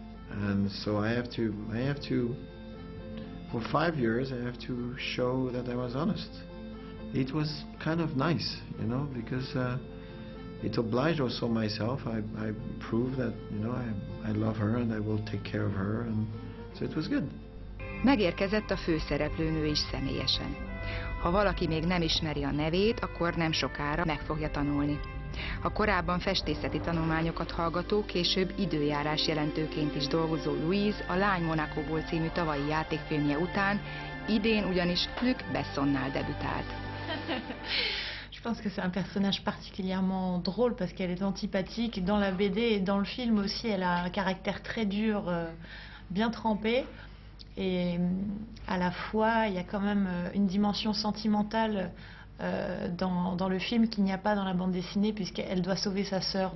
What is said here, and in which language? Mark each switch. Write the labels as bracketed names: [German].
[English] And so I have to, for 5 years, I have to show that I was honest. It was kind of nice, you know, because it obliged also myself. I proved that, you know, I love her and I will take care of her. And so it was good. [Hungarian] Megérkezett a főszereplőnő is személyesen. Ha valaki még nem ismeri a nevét, akkor nem sokára meg fogja tanulni. A korábban festészeti tanulmányokat hallgató, később időjárás jelentőként is dolgozó Louise a Lány Monacóból című tavalyi játékfilmje után idén ugyanis Luc Bessonnal debütált. [French] Je pense que c'est un personnage particulièrement drôle parce qu'elle est antipathique dans la BD et dans le film aussi. Elle a un caractère très dur, bien trempé. Et à la fois, il y a quand même une dimension sentimentale dans le film qu'il n'y a pas dans la bande dessinée, puisqu'elle doit sauver sa sœur.